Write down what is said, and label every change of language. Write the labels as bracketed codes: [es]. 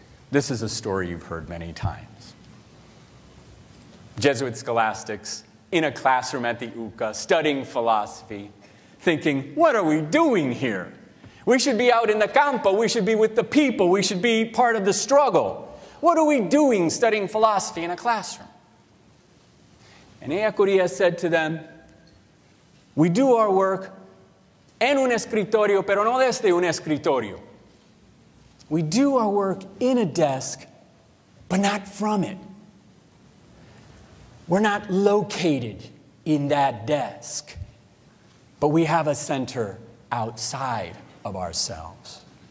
[en] This is a story you've heard many times. Jesuit scholastics in a classroom at the UCA studying philosophy, thinking, what are we doing here? We should be out in the campo. We should be with the people. We should be part of the struggle. What are we doing studying philosophy in a classroom? And Ellacuría said to them, we do our work [es] en un escritorio, pero no desde un escritorio. [en] We do our work in a desk, but not from it. We're not located in that desk, but we have a center outside of ourselves.